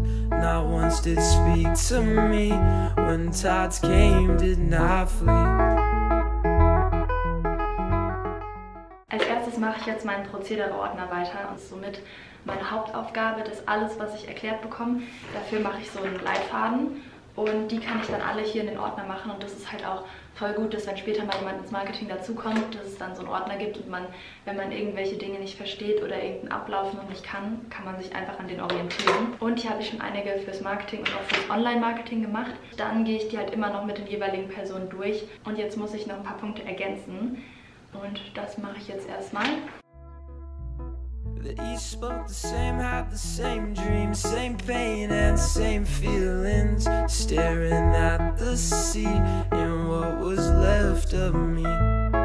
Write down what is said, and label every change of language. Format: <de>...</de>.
<en>Not once did speak to me when tides came, did not flee.</en> <de>Als erstes mache ich jetzt meinen Prozedereordner weiter und somit meine Hauptaufgabe, das alles, was ich erklärt bekomme. Dafür mache ich so einen Leitfaden und die kann ich dann alle hier in den Ordner machen und das ist halt auch voll gut, dass wenn später mal jemand ins Marketing dazukommt, dass es dann so einen Ordner gibt und man, wenn man irgendwelche Dinge nicht versteht oder irgendeinen Ablauf noch nicht kann, kann man sich einfach an den orientieren. Und hier habe ich schon einige fürs Marketing und auch fürs Online-Marketing gemacht. Dann gehe ich die halt immer noch mit den jeweiligen Personen durch und jetzt muss ich noch ein paar Punkte ergänzen. Und das mache ich jetzt erstmal.</de> <en>That each spoke the same, had the same dreams, same pain and same feelings, staring at the sea and what was left of me.</en>